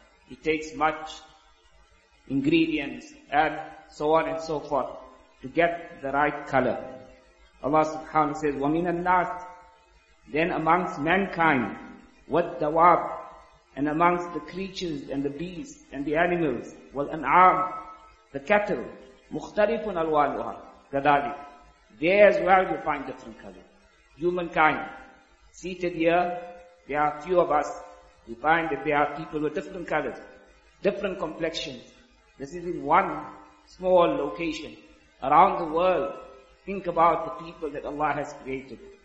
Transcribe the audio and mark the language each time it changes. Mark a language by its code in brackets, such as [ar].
[en] It takes much ingredients and so on and so forth to get the right color. Allah subhanahu wa ta'ala says, [ar] وَمِنَ النَّاسِ. [en] Then amongst mankind, [ar] وَالدَّوَابِ. [en] And amongst the creatures and the beasts and the animals, [ar] وَالْأَنْعَامِ. [en] The cattle, [ar] مُخْتَرِفٌ أَلْوَانُهَا كَذَلِكَ. [en] There as well you find different color. Humankind, seated here, there are a few of us, we find that there are people with different colors, different complexions. This is in one small location. Around the world, think about the people that Allah has created.